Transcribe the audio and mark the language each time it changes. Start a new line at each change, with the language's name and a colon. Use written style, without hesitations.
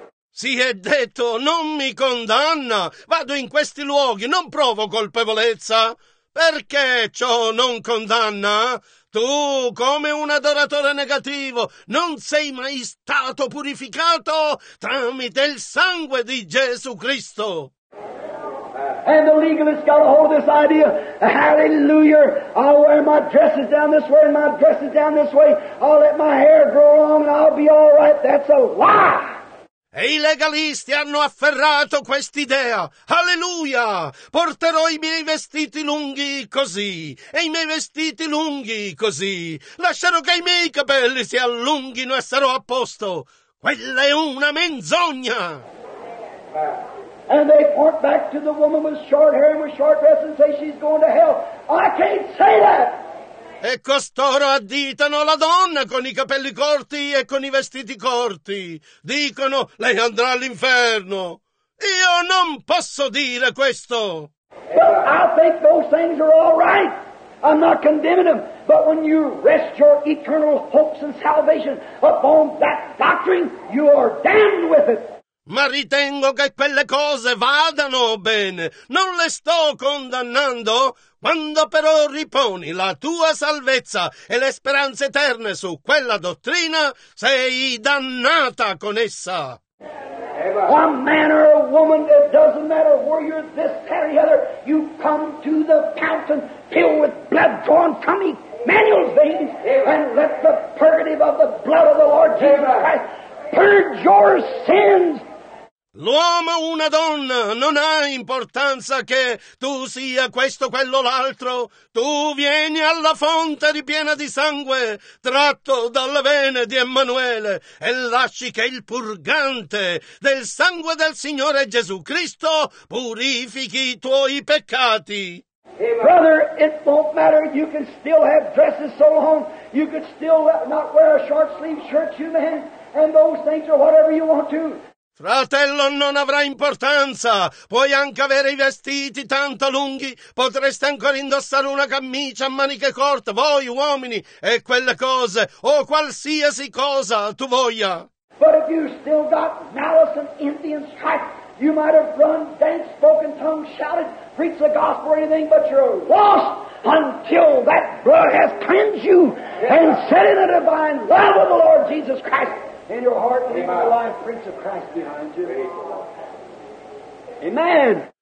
Italian: Si è detto, non mi condanna, vado in questi luoghi, non provo colpevolezza. Perché ciò non condanna? Tu, come un adoratore negativo, non sei mai stato purificato tramite il sangue di Gesù Cristo.
English: And the legalist got a hold of this idea. Hallelujah. I'll wear my dresses down this way and my dresses down this way. I'll let my hair grow long and I'll be all right. That's a lie.
Italian: E i legalisti hanno afferrato quest'idea. Alleluia! Porterò i miei vestiti lunghi così, e i miei vestiti lunghi così. Lascerò che i miei capelli si allunghino e sarò a posto. Quella è una menzogna.
English: And they point back to the woman with short hair and with short dress and say she's going to hell. I can't say that!
Italian: E costoro additano la donna con i capelli corti e con i vestiti corti. Dicono, lei andrà all'inferno. Io non posso dire questo!
English: But I think those things are all right. I'm not condemning them. But when you rest your eternal hopes and salvation upon that doctrine, you are damned with it.
Italian: Ma ritengo che quelle cose vadano bene, non le sto condannando. Quando però riponi la tua salvezza e le speranze eterne su quella dottrina, sei dannata con essa.
English: A man or a woman, it doesn't matter where you're this, that, or the other, you come to the fountain filled with blood drawn from Emmanuel's veins, and let the purgative of the blood of the Lord Jesus Christ purge your sins.
Italian: L'uomo o una donna, non ha importanza che tu sia questo, quello o l'altro. Tu vieni alla fonte ripiena di sangue, tratto dalle vene di Emanuele, e lasci che il purgante del sangue del Signore Gesù Cristo purifichi i tuoi peccati.
English: Brother, it won't matter. You can still have dresses so long. You could still not wear a short sleeve shirt, you man, and those things or whatever you want to.
Italian: Fratello, non avrà importanza. Puoi anche avere i vestiti tanto lunghi. Potresti ancora indossare una camicia a maniche corte, voi uomini, e quelle cose, o qualsiasi cosa tu voglia.
English: But if you still got malice and envy and strife, you might have run, danced, spoken tongues, shouted, preached the gospel or anything, but you're lost until that blood has cleansed you and set in the divine love of the Lord Jesus Christ. In your heart and in your life, Prince of Christ behind you. Amen.